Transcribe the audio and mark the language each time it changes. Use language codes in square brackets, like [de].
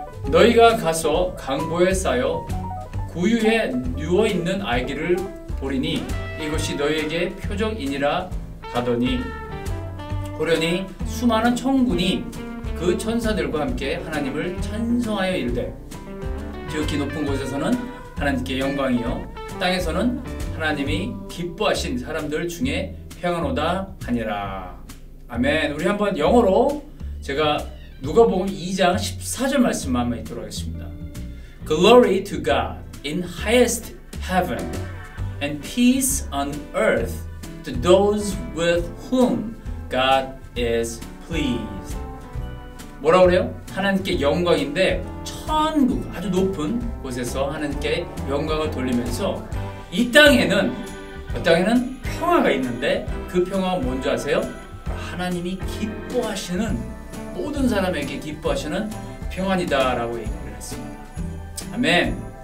[ko] 너희가 가서 강보에 쌓여 구유에 누워있는 아기를 보리니 이것이 너희에게 표적이니라 하더니 보려니 수많은 천군이 그 천사들과 함께 하나님을 찬송하여 이르되 지극히 높은 곳에서는 하나님께 영광이요 땅에서는 하나님이 기뻐하신 사람들 중에 평안하다 하니라. 아멘. 우리 한번 영어로 제가 누가복음 2장 14절 말씀만 한번 읽도록 하겠습니다. [en] Glory to God in highest heaven and peace on earth to those with whom God is pleased. [ko] 뭐라고 그래요? 하나님께 영광인데 천국 아주 높은 곳에서 하나님께 영광을 돌리면서 이 땅에는 이 땅에는 평화가 있는데 그 평화가 뭔지 아세요? 하나님이 기뻐하시는 모든 사람에게 기뻐하시는 평안이다 라고 얘기를 했습니다. 아멘.